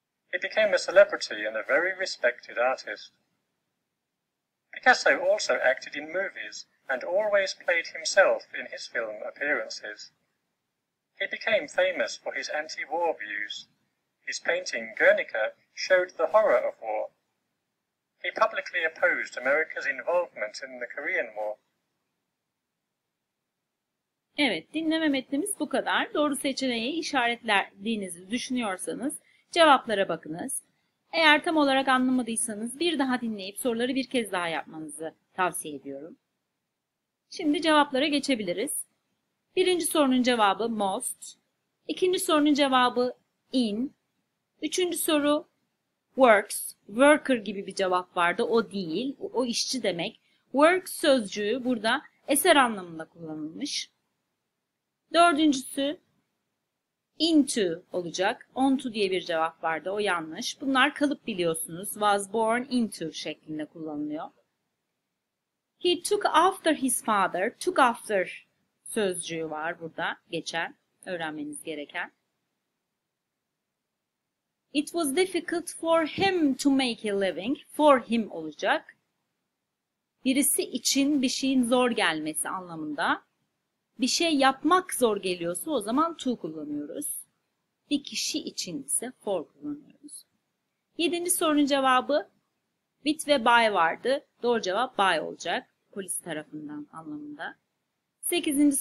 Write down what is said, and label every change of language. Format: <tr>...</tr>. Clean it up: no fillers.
<en>He became a celebrity and a very respected artist. Picasso also acted in movies and always played himself in his film appearances. He became famous for his anti-war views. His painting, Guernica, showed the horror of war. He publicly opposed America's involvement in the Korean War.</en> <tr>Evet, dinleme metnimiz bu kadar. Doğru seçeneği işaretlediğinizi düşünüyorsanız cevaplara bakınız. Eğer tam olarak anlamadıysanız bir daha dinleyip soruları bir kez daha yapmanızı tavsiye ediyorum. Şimdi cevaplara geçebiliriz. Birinci sorunun cevabı most, ikinci sorunun cevabı in, üçüncü soru works, worker gibi bir cevap vardı, o değil, o işçi demek. Work sözcüğü burada eser anlamında kullanılmış. Dördüncüsü into olacak, onto diye bir cevap vardı, o yanlış. Bunlar kalıp biliyorsunuz, was born into şeklinde kullanılıyor.</tr> <en>He took after his father, took after</en> <tr>sözcüğü var burada geçen, öğrenmeniz gereken.</tr> <en>It was difficult for him to make a living, for him olacak.</en> <tr>Birisi için bir şeyin zor gelmesi anlamında. Bir şey yapmak zor geliyorsa o zaman to kullanıyoruz. Bir kişi için ise for kullanıyoruz. Yedinci sorunun cevabı with ve by vardı. Doğru cevap by olacak, polis tarafından anlamında. 8.</tr>